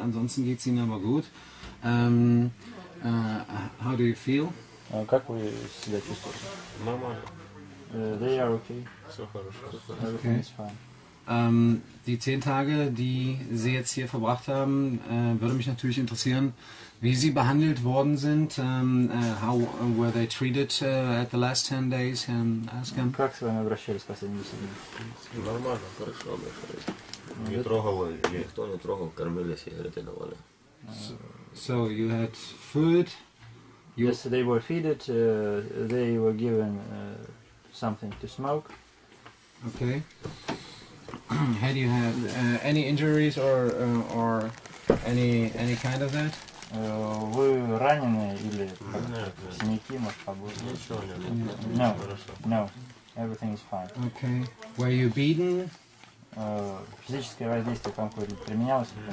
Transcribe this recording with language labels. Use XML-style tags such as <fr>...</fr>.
<de>Ansonsten geht es Ihnen aber gut.</de> <en>How do you feel?</en> <ru>Как вы себя чувствуете? Нормально.</ru> <en>They are okay. So</en> <ru>хорошо.</ru> <en>Okay. Everything is fine.</en> <de>Die 10 Tage, die Sie jetzt hier verbracht haben, würde mich natürlich interessieren, wie Sie behandelt worden sind.</de> <en>How were they treated at the last 10 days? Ask them.</en> <ru>Как с вами обращались в последние 10 дней? Нормально, хорошо, мы хорошо. Не трогал, никто не трогал, кормили, сигареты давали.</ru> <en>So you had food? Yes, they were fed, they were given something to smoke. Okay. Had you had any injuries or any kind of that?</en> <ru>Вы ранены или синяки, может, побои? Ничего нет.</ru> <en>No. No. Everything is fine. Okay. Were you beaten?</en> <ru>Физическое воздействие там какое-то применялось?</ru>